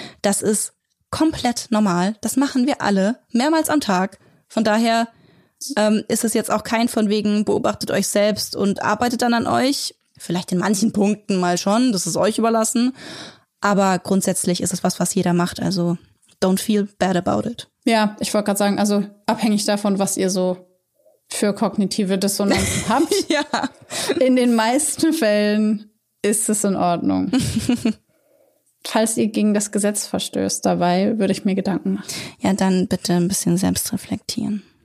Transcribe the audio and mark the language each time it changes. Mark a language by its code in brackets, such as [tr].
[de] Das ist komplett normal. Das machen wir alle mehrmals am Tag. Von daher ist es jetzt auch kein von wegen, beobachtet euch selbst und arbeitet dann an euch. Vielleicht in manchen Punkten mal schon, das ist euch überlassen. Aber grundsätzlich ist es was jeder macht. [en] Also don't feel bad about it. [de] Ja, ich wollte gerade sagen, also abhängig davon, was ihr so für kognitive Dissonanz habt. Ja. In den meisten Fällen ist es in Ordnung. Falls ihr gegen das Gesetz verstößt dabei, würde ich mir Gedanken machen. Ja, dann bitte ein bisschen selbst reflektieren.